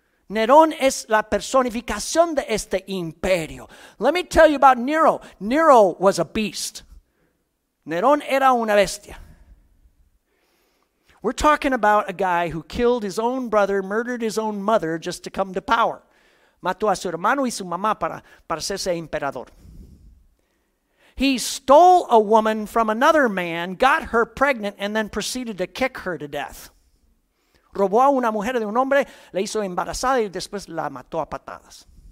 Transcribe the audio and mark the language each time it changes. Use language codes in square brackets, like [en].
[es] Nerón es la personificación de este imperio. [en] Let me tell you about Nero. Nero was a beast. [es] Nerón era una bestia. [en] We're talking about a guy who killed his own brother, murdered his own mother just to come to power. [es] Mató a su hermano y su mamá para hacerse emperador. [en] He stole a woman from another man, got her pregnant, and then proceeded to kick her to death. [es] Robó a una mujer de un hombre, la hizo embarazada y después la mató a patadas.